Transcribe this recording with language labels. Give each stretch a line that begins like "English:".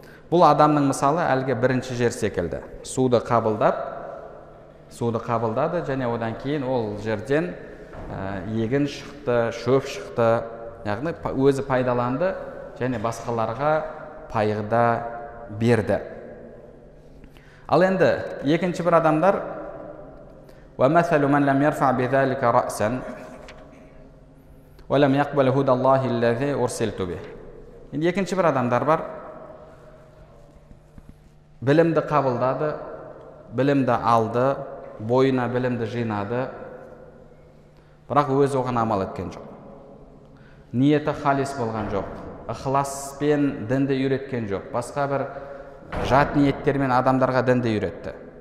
Kazakh: Бұл адамның мысалы әлгі бірінші жер секілді. Суды қабылдап, суды қабылдады, және одан кейін ол жерден егін шықты, шөп шықты, яғни өзі пайдаланды, және басқаларға пайда берді. Ал енді екінші бір адамдар
Arabic: وَمَثَلُ مَنْ لَمْ يَرْفَعْ بِذَٰلِكَ رَأْسًا وَلَمْ يَقْبَلْ هُدَى اللَّهِ الَّذِي أُرْسِلْتُ بِهِ.
Kazakh: Енді екінші бір адамдар бар. Білімді қабылдады, білімді алды, бойына білімді жинады, бірақ өзі оған амал еткен жоқ. Ниеті халис болған жоқ. Ықласпен дінді үйреткен жоқ, басқа бір жат ниеттермен адамдарға дінді үйретті.